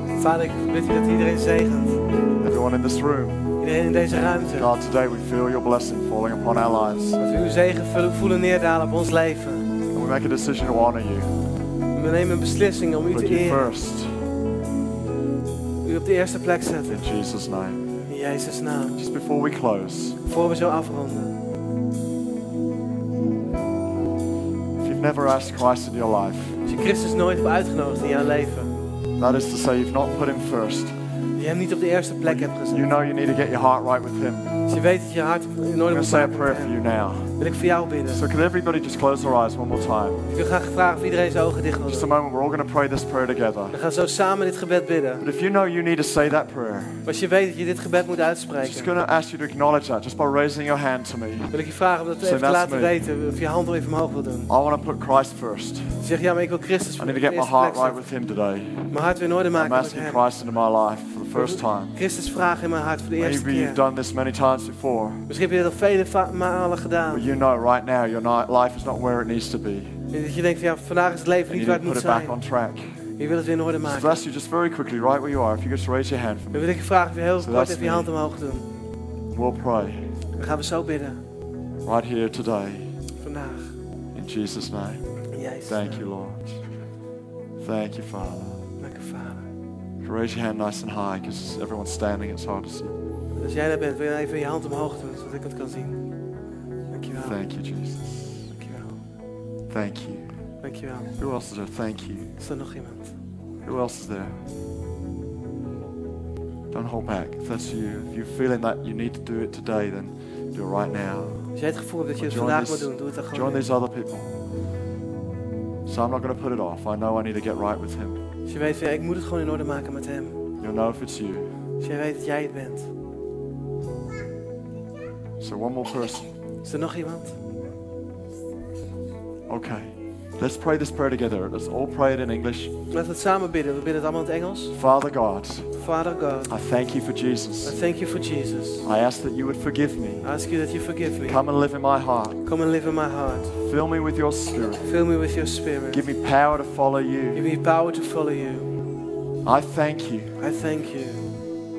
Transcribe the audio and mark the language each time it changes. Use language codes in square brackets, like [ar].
[nl] Vader, ik bid u dat iedereen zegent. [en] Everyone in this room. [nl] Iedereen in deze ruimte. [en] God, today we feel your blessing falling upon our lives. [nl] Dat we uw zegen voelen neerdalen op ons leven. [en] And we make a decision to honor you. [nl] We nemen een beslissing om u [en] put [nl] te eren. [en] First. [nl] U op de eerste plek zetten. [en] In Jesus' name. [nl] In Jezus' naam. [en] Just before we close. [nl] Voor we zo afronden. [en] Never asked Christ in your life. [nl] Als je Christus nooit hebt uitgenodigd in jouw leven. [en] That is to say, you've not put him first. [nl] Je hem niet op de eerste plek hebt gezet. [en] You know you need to get your heart right with him. [nl] Dus je weet dat je hart nooit moet maken. [en] I'm going to say a prayer for you now. [nl] Wil ik voor jou bidden. [en] So can everybody just close their eyes one more time? [nl] Ik wil graag vragen of iedereen zijn ogen dicht wil. [en] Just a moment, we're all going to pray this prayer together. [nl] We gaan zo samen dit gebed bidden. [en] But if you know you need to say that prayer. [nl] Maar als je weet dat je dit gebed moet uitspreken. [en] I'm just going to ask you to acknowledge that just by raising your hand to me. [nl] Wil ik je vragen om dat even te laten weten of je hand even omhoog wil doen. [en] I want to put Christ first. [nl] Zeg ja, maar ik wil Christus voor. [en] I need to get my heart right with him today. [nl] Mijn hart weer in orde maken met hem. [en] I'm asking Christ into my life for the first time. [nl] Christus vraag in mijn hart voor de eerste keer. [en] Maybe you've done this many times before. [nl] Misschien heb je dit al vele malen gedaan. [en] You know right now your life is not where it needs to be. [nl] Je denkt ja, vandaag is het leven niet waar het moet zijn. [en] Put it back on track. [nl] Je wil het weer in orde maken. [en] So bless you just very quickly right where you are. If you could just raise your hand for me. [nl] Dan wil ik je vragen of je heel kort even je hand omhoog doen. [en] We'll pray. [nl] Dan gaan we zo bidden. [en] Right here today. [nl] Vandaag. [en] In Jesus' name. [nl] Jezus. [en] Thank you, Lord. Thank you, Father. [nl] Dank je, Vader. [en] Raise your hand nice and high because everyone's standing. It's hard to see. [nl] Als jij daar bent, wil je even je hand omhoog doen zodat ik het kan zien. [en] Thank you, Jesus. Thank you. Thank you. Thank you. Who else is there? Thank you. [nl] Is er nog iemand? [en] Who else is there? Don't hold back. If that's you, if you're feeling that you need to do it today, then do it right now. [nl] Als jij het gevoel hebt dat je het vandaag moet doen, doe het dan gewoon. [en] Join these other people. So I'm not going to put it off. I know I need to get right with him. [nl] Als je weet, ja, ik moet het gewoon in orde maken met hem. [en] You'll know if it's you. [nl] Als jij weet dat jij het bent. [en] So one more person. [nl] Is er nog iemand? [en] Okay. Let's pray this prayer together. Let's all pray it in English. [nl] Laten we het samen bidden. We bidden het allemaal in het Engels. [en] Father God. Father God. I thank you for Jesus. I thank you for Jesus. I ask that you would forgive me. I ask you that you forgive me. Come and live in my heart. Come and live in my heart. Fill me with your spirit. Fill me with your spirit. Give me power to follow you. Give me power to follow you. I thank you. I thank you.